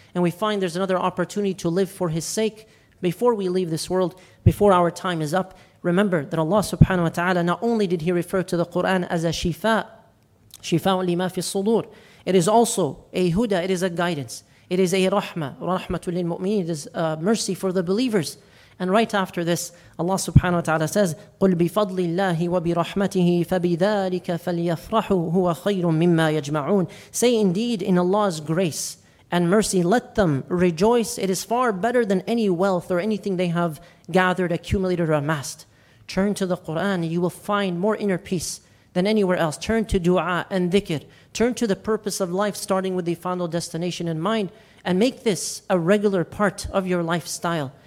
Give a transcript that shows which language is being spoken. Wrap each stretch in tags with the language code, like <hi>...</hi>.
<en>and we find there's another opportunity to live for his sake before we leave this world, before our time is up, remember that Allah subhanahu wa ta'ala, not only did he refer to the Qur'an as a shifa, shifa lima fi sudur, it is also a huda, it is a guidance, it is a rahmah, rahmatul lil mu'minin, it is a mercy for the believers. And right after this, Allah subhanahu wa ta'ala says,</en> <ar>قُلْ بِفَضْلِ اللَّهِ وَبِرَحْمَتِهِ فَبِذَٰلِكَ فَلْيَفْرَحُ هُوَ خَيْرٌ مِّمَّا يَجْمَعُونَ.</ar> <en>Say indeed, in Allah's grace and mercy, let them rejoice. It is far better than any wealth or anything they have gathered, accumulated, or amassed. Turn to the Qur'an, you will find more inner peace than anywhere else. Turn to dua and dhikr. Turn to the purpose of life, starting with the final destination in mind, and make this a regular part of your lifestyle.</en>